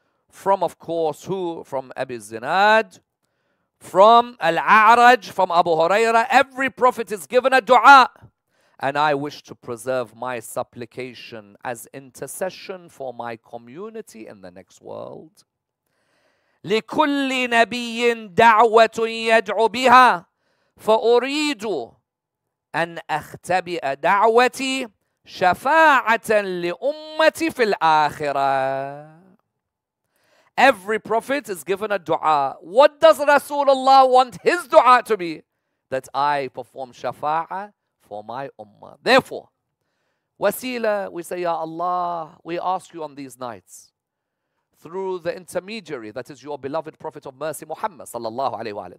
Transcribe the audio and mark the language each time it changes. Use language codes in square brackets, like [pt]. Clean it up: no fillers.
[en] From, of course, who? From Abi Zinad. From Al-A'raj, from Abu Huraira. Every prophet is given a dua. And I wish to preserve my supplication as intercession for my community in the next world. [ar] لكل نبي دعوة يدعو بها فأريد أن أختبئ دعوتي شفاعة لأمتي في الآخرة. [en] Every prophet is given a dua. What does Rasulullah want his dua to be? That I perform shafa'a for my ummah. Therefore, Waseela, we say, Ya Allah, we ask you on these nights, through the intermediary, that is your beloved Prophet of Mercy, Muhammad sallallahu alayhi wa alayhi.